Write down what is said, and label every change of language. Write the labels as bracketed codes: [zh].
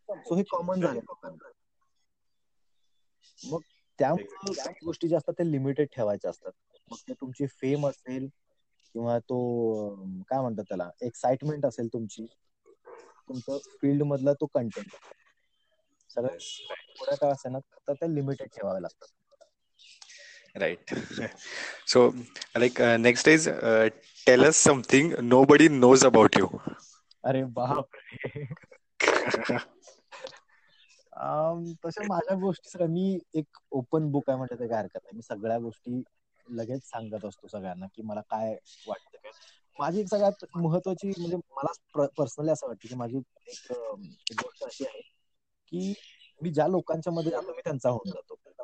[mr] So हे common झालं लोकांना, मग त्यामुळे गोष्टी ज्या असतात त्या लिमिटेड ठेवायच्या असतात. मग ते तुमची फेम असेल किंवा तो काय म्हणतात त्याला एक्साइटमेंट असेल तुमची, तुमचं फील्ड मधला तो कंटेंट सगळं थोड्या काळ असेल ना, तर ते लिमिटेड ठेवावे लागतात. Right. [en] So like next is tell us something nobody knows about you. [mr] अरे बाप रे. तशा माझ्या गोष्टी सगळ्या, मी एक ओपन बुक आहे म्हणजे काय हरकत नाही, मी सगळ्या गोष्टी लगेच सांगत असतो सगळ्यांना की मला काय वाटतं, माझी एक सगळ्यात महत्वाची म्हणजे मला पर्सनली असं वाटतं की माझी एक गोष्ट अशी आहे की मी ज्या लोकांच्या मध्ये जातो मी त्यांचा होऊन जातो.